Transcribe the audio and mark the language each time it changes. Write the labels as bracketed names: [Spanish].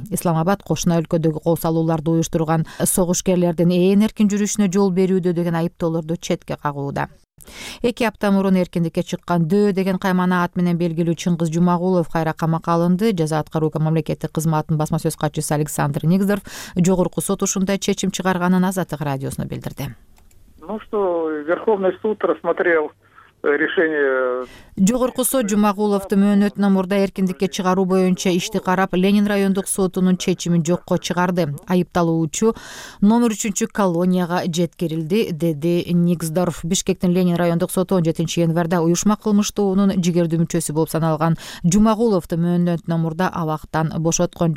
[Kyrgyz] Исламабад кошуна өлкөдөгү кол салууларды уюштурган согушкерлердин ээн эркин жүрүшүнө жол берүүдө деген айыптоолорду четке кагууда. 2 апта мурун эркиндикке чыккан Дөө деген каймана ат менен белгилүү Чыңгыз Жумагулов кайра камакка алынды. Жаза аткаруу мамлекеттик кызматынын басма сөз катчысы Александр Нигздоров жогорку сот ушундай чечим чыгарганын Азаттык радиосуна билдирди. [Russian] Верховный суд рассмотрел решение. [Kyrgyz] Жогорку сот Жумагуловду мөөнөтүнө мурда эркиндикке чыгаруу боюнча ишти карап, Ленин райондук сотунун чечимин жокко чыгарды. Айыпталуучу номер 3-чү колонияга жеткирилди, деди Никсдорф. Бишкектин Ленин райондук соту 17 январда уюшма кылмыштуунун жигердүү мүчөсү болуп саналган Жумагуловду мөөнөтүнө мурда абактан бошоткон.